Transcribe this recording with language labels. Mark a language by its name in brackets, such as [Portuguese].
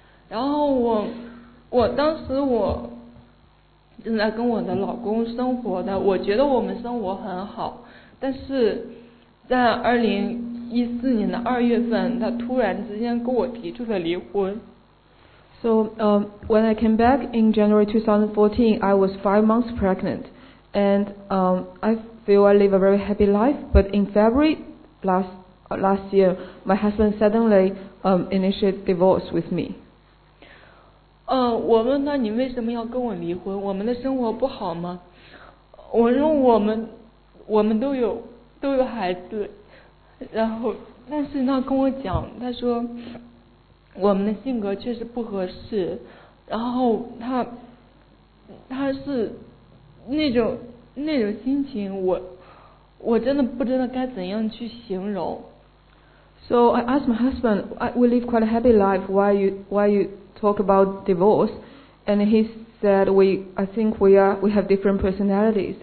[Chinese] 然后我当时我。正在跟我的老公生活的，我觉得我们生活很好，但是在2014年的2月份，他突然之间跟我提出了离婚。 [English] So, when I came back in January 2014, I was 5 months pregnant, and I feel I live a very happy life. But in February last year, my husband suddenly initiated divorce with me. [Chinese] 我问他你为什么要跟我离婚，我们的生活不好吗？我说我们都有孩子，然后但是他跟我讲，他说我们的性格确实不合适，然后他是那种心情，我我真的不知道该怎样去形容。 [English] So I asked my husband, we live quite a happy life, why you talk about divorce? And he said, I think we have different personalities.